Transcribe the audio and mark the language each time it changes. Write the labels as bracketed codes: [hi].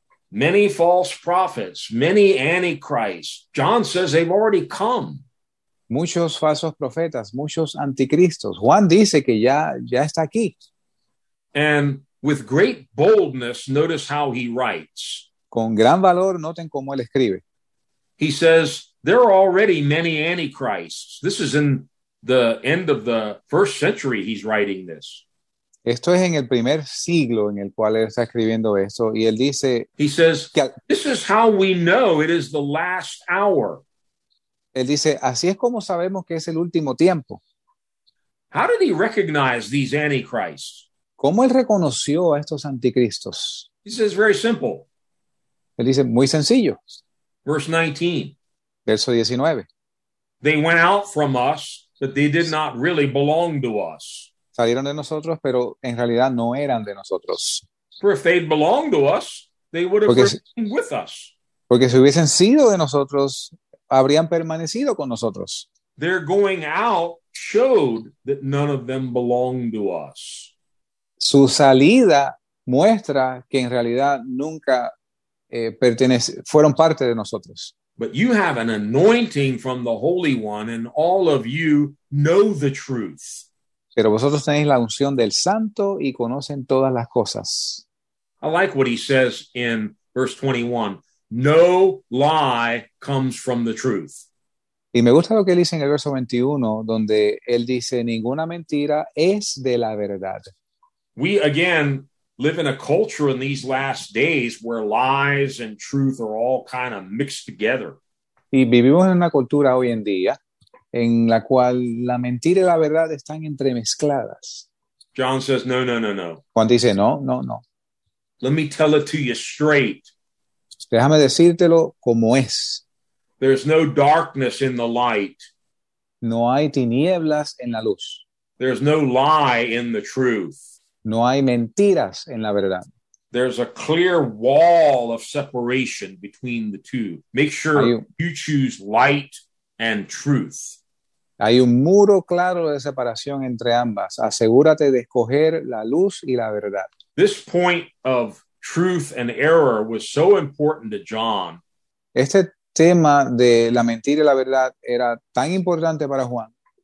[en] Many false prophets, many antichrists. John says they've already come. [es] Muchos falsos profetas, muchos anticristos. Juan dice que ya está aquí. [en] And with great boldness, notice how he writes. [es] Con gran valor, noten cómo él escribe. [en] He says, there are already many antichrists. This is in the end of the first century he's writing this. [es] Esto es en el primer siglo en el cual él está escribiendo esto. Y él dice, [en] he says, this is how we know it is the last hour. [es] Él dice, así es como sabemos que es el último tiempo. [en] How did he recognize these antichrists? [es] ¿Cómo él reconoció a estos anticristos? [en] He says, very simple. [es] Él dice, muy sencillo. [en] Verse 19. [es] Verso 19. [en] They went out from us, but they did not really belong to us. [es] Salieron de nosotros, pero en realidad no eran de nosotros. [en] For if they belonged to us, they would have remained with us. [es] Porque si hubiesen sido de nosotros, habrían permanecido con nosotros. [en] Their going out showed that none of them belonged to us. [es] Su salida muestra que en realidad nunca fueron parte de nosotros. [en] But you have an anointing from the Holy One, and all of you know the truth. [es] Pero vosotros tenéis la unción del Santo y conocen todas las cosas. [en] I like what he says in verse 21. No lie comes from the truth. [es] Y me gusta lo que él dice en el verso 21, donde él dice, ninguna mentira es de la verdad. [en] We again live in a culture in these last days where lies and truth are all kind of mixed together. [es] Y vivimos en una cultura hoy en día en la cual la mentira y la verdad están entremezcladas. [en] John says, no, no, no, no. [es] Juan dice, no, no, no. [en] Let me tell it to you straight. [es] Déjame decírtelo como es. [en] There's no darkness in the light. [es] No hay tinieblas en la luz. [en] There's no lie in the truth. [es] No hay mentiras en la verdad. [en] There's a clear wall of separation between the two. Make sure you choose light and truth. [es] Hay un muro claro de separación entre ambas. Asegúrate de escoger la luz y la verdad. [en] This point of truth and error was so important to John. [es] Este tema de la mentira y la verdad era tan importante para Juan.